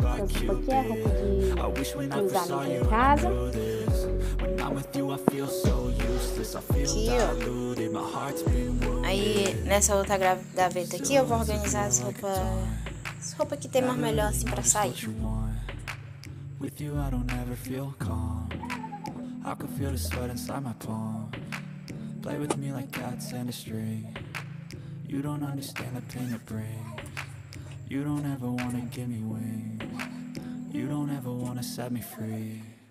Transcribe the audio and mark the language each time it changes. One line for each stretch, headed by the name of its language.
English: I wish when I first saw you, I knew this. When I'm with you, I feel so useless. I feel diluted, my heart's been wounded.
Portuguese: Aí, nessa outra gaveta aqui, eu vou organizar as roupas. As roupas que tem mais melhor assim pra sair.
English: With you, I don't ever feel calm. I can feel the sweat inside my palm. Play with me like cats and a string. You don't understand the pain it brings. You don't ever wanna give me wings. You don't ever wanna set me free.